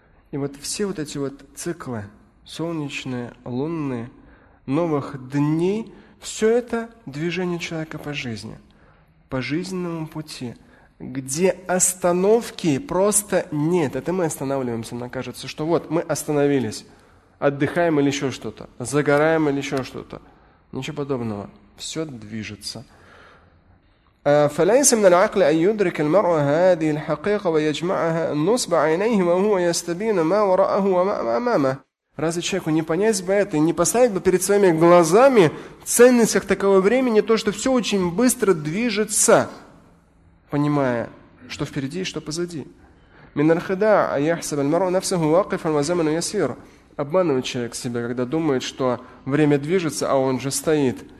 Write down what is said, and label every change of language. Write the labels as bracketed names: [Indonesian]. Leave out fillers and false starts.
[Russian] И И вот все вот эти вот циклы, солнечные, лунные, новых дней, все это движение человека по жизни, по жизненному пути, где остановки просто нет. Это мы останавливаемся, нам кажется, что вот мы остановились, отдыхаем или еще что-то, загораем или еще что-то. Ничего подобного. Все движется. [Arabic] فليس من العقل أن يدرك المرء هذه الحقيقة ويجمعها نصب عينيه وهو يستبين ما وراءه وما أمامه. [Russian] Разве человеку не понять бы это и не поставить бы перед своими глазами ценность как такового времени, то, что все очень быстро движется, понимая, что впереди и что позади. [Arabic] من الخداع يحسب المرء نفسه واقفا والزمن يسير. [Russian] Обманывает человек себя, когда думает, что время движется, а он же стоит.